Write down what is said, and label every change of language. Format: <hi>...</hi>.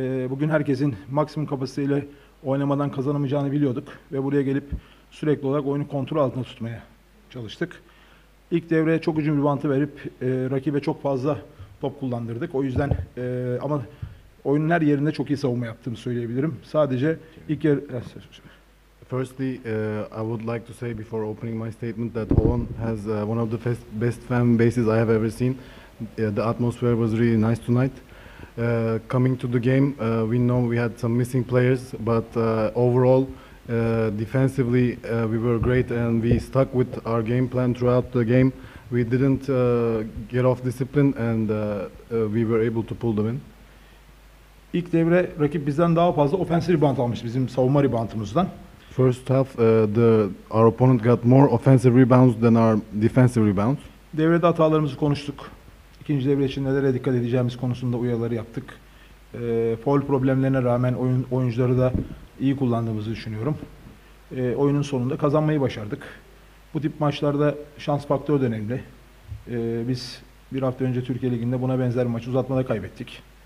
<tr>Bugün herkesin maksimum kapasiteyle oynamadan kazanamayacağını biliyorduk ve buraya gelip sürekli olarak oyunu kontrol altında tutmaya çalıştık. İlk devreye çok hücum ribaundu verip rakibe çok fazla top kullandırdık. O yüzden ama oyunun her yerinde çok iyi savunma yaptığımı söyleyebilirim. Sadece ilk yarı...</tr> <en>Firstly, I would like to say before opening my statement that Holon has one of the best fan bases I have ever seen. The atmosphere was really nice tonight. Coming to the game, we know we had some missing players, but overall, defensively, we were great and we stuck with our game plan throughout the game. We didn't get off discipline and we were able to pull them in.</en> <tr>İlk devre rakip bizden daha fazla offensive rebound almış bizim savunma reboundumuzdan.</tr> <en>First half, our opponent got more offensive rebounds than our defensive rebounds.</en> <tr>Devrede hatalarımızı konuştuk. İkinci devre için nelere dikkat edeceğimiz konusunda uyarıları yaptık. Foul problemlerine rağmen oyuncuları da iyi kullandığımızı düşünüyorum. Oyunun sonunda kazanmayı başardık. Bu tip maçlarda şans faktörü önemli. Biz bir hafta önce Türkiye Ligi'nde buna benzer maçı uzatmada kaybettik.</tr>